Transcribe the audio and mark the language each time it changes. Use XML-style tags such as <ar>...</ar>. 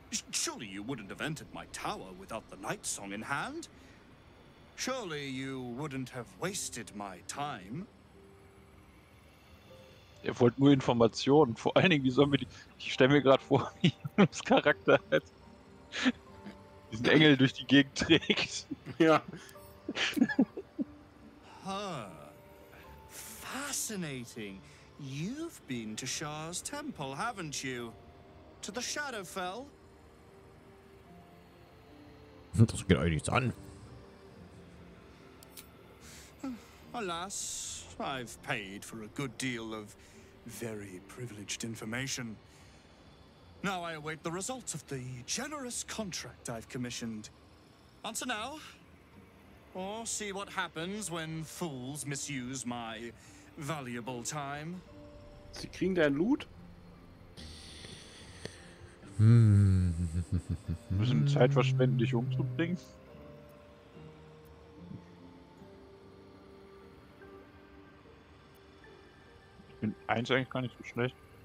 <en>Surely you wouldn't have entered my tower without the night song in hand. Surely you wouldn't have wasted my time.</en> <de>Er wollte nur Informationen. Vor allen Dingen, wie sollen wir die. Ich stelle mir gerade vor, wie das Charakter hat. Diesen Engel durch die Gegend trägt. Ja.</de> <en>Fascinating. You've been to Shah's temple, haven't you? To the Shadowfell?</en> <de>Das geht euch nichts an.</de> <en>Alas, I've paid for a good deal of very privileged information. Now I await the results of the generous contract I've commissioned. Answer now, or see what happens when fools misuse my valuable time.</en> <de>Sie kriegen deinen Loot? Müssen Zeit verschwenden, dich umzubringen. Ich bin eins eigentlich gar nicht so schlecht.</de>